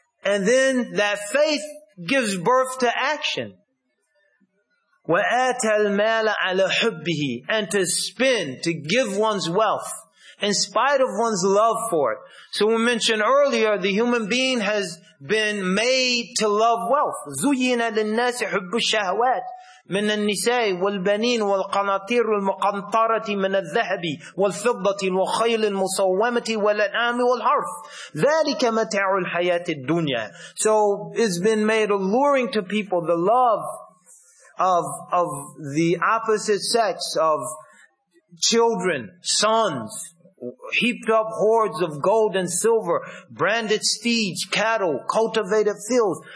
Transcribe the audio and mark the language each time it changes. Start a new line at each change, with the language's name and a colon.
English: And then that faith gives birth to action.
Arabic: وَآتَ الْمَالَ عَلَى حُبِّهِ
English: And to spend, to give one's wealth in spite of one's love for it. So we mentioned earlier, the human being has been made to love wealth.
Arabic: زُيِّنَ لِلنَّاسِ حُبُّ الشَّهَوَاتِ من النساء والبنين والقناطير المقنطرة من الذهب والفضة والخيل المصومة والأنعام والحرث ذلك متاع الحياة الدنيا.
English: So it's been made alluring to people the love of the opposite sex, of children, sons, heaped up hoards of gold and silver, branded steeds, cattle, cultivated fields.